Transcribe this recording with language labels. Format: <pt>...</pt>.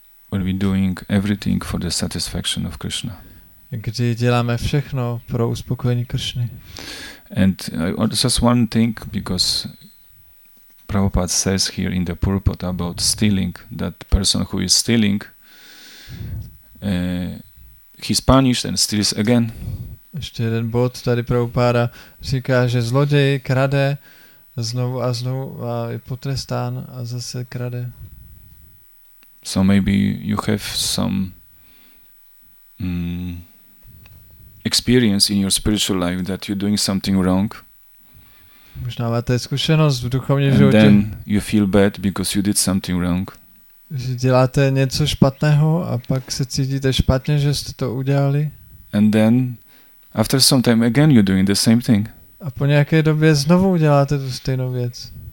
<en>When we doing everything for the satisfaction of Krishna.</en> <cs>Kdy děláme všechno pro uspokojení Kršny.</cs> <en>And just one thing, because Prabhupada says here in the purport about stealing, that person who is stealing, he's punished and steals again.</en> <cs>Ještě jeden bod tady Prabhupada říká, že zloděj krade znovu a znovu a je potrestán a zase krade.</cs> <en>So maybe you have some experience in your spiritual life that you're doing something wrong.</en> <cs>Možná máte zkušenost v duchovním životě.</cs> <en>And then you feel bad because you did something wrong.</en> <cs>Že děláte něco špatného a pak se cítíte špatně, že jste to udělali.</cs> <en>And then after some time again you're doing the same thing.</en> <cs>A po nějaké době znovu uděláte tu stejnou věc.</cs>